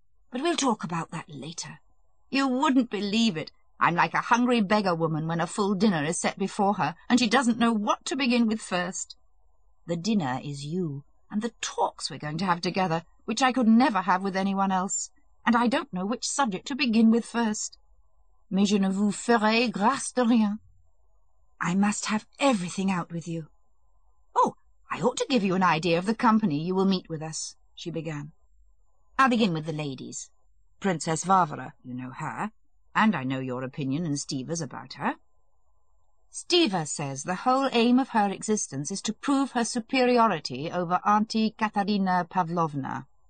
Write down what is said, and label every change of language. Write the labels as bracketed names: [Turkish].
[English] "But we'll talk about that later. You wouldn't believe it. I'm like a hungry beggar woman when a full dinner is set before her, and she doesn't know what to begin with first. The dinner is you, and the talks we're going to have together, which I could never have with anyone else, and I don't know which subject to begin with first. [French] Mais je ne vous ferai grâce de rien. [English] I must have everything out with you. Oh, I ought to give you an idea of the company you will meet with us," she began. "I'll begin with the ladies. Princess Varvara, you know her, and I know your opinion and Stiva's about her. Stiva says the whole aim of her existence is to prove her superiority over Auntie Katerina Pavlovna.